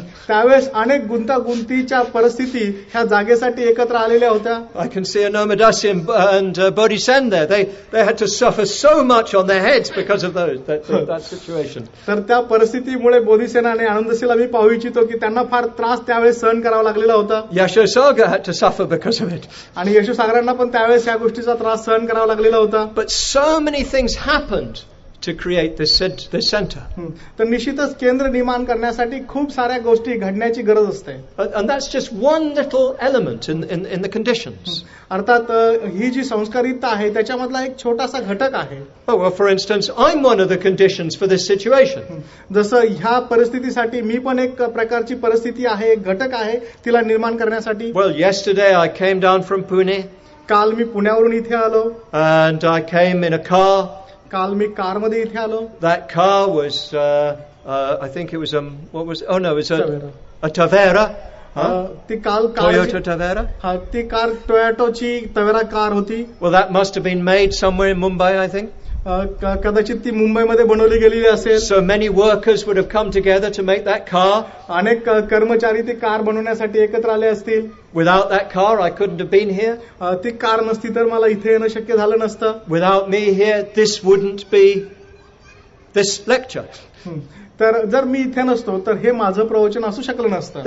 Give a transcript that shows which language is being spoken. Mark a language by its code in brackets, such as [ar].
[mr] त्यावेळेस अनेक गुंतागुंतीच्या परिस्थिती ह्या जागेसाठी एकत्र आलेल्या होत्या. [en] I can see a nomadacy and Bodhisattva there. They had to suffer so much on their heads because of that situation. [mr] तर त्या परिस्थितीमुळे बोधिसेना आणि आनंदशीला मी पाहू इच्छितो की त्यांना फार त्रास त्यावेळेस सहन करावा लागलेला होता. [en] Yashasagara had to suffer because of it. [mr] आणि यशोसागरांना पण त्यावेळेस या गोष्टीचा त्रास सहन करावा लागला. [en] But so many things happened to create this center. [mr] तर निश्चितच केंद्र निर्माण करण्यासाठी खूप साऱ्या गोष्टी घडण्याची गरज असते. [en] And that's just one little element in the conditions. [mr] अर्थात ही जी संस्कारित आहे त्याच्यामधला एक छोटासा घटक आहे. [en] Well, for instance, I'm one of the conditions for this situation. [mr] जसं ह्या परिस्थितीसाठी मी पण एक प्रकारची परिस्थिती आहे, एक घटक आहे तिला निर्माण करण्यासाठी. [en] Well, yesterday I came down from Pune. [mr] काल मी पुण्यावरून इथे आलो. [en] And I came in a car. [mr] काल मी कार मध्ये इथे आलो. [en] That car was I think it was what was oh no it was a Tavera. [mr] ती काल [en] Toyota Tavera. [mr] हा, ती कार टोयोटाची टवेरा कार होती. [en] Well, that must have been made somewhere in Mumbai I think. [mr] कदाचित ती मुंबई मध्ये बनवली गेलेली असेल. [en] So many workers would have come together to make that car. [mr] अनेक कर्मचारी ती कार बनवण्यासाठी एकत्र आले असतील. [en] Without that car I couldn't have been here. [mr] ती कार नसती तर मला इथे येणं शक्य झालं नसतं. [en] Without me here this wouldn't be this lecture. [mr] तर जर मी इथे नसतो तर हे माझं प्रवचन असू शकलं नसतं.